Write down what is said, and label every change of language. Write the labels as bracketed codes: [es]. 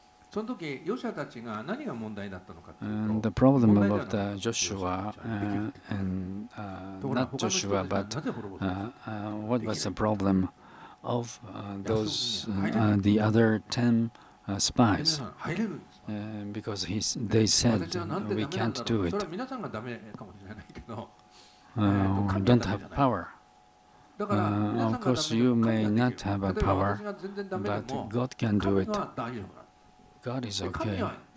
[ja] その時ヨシアたちが何が問題だったのかというと、 [en] and the problem of the Joshua and not Joshua but what was the problem of those the other ten spies? Because they said we can't do it. [ja] それは皆さんがダメかもしれないけど、 [en] don't have power. Of course, you may not have a power, but God can do it. God is okay.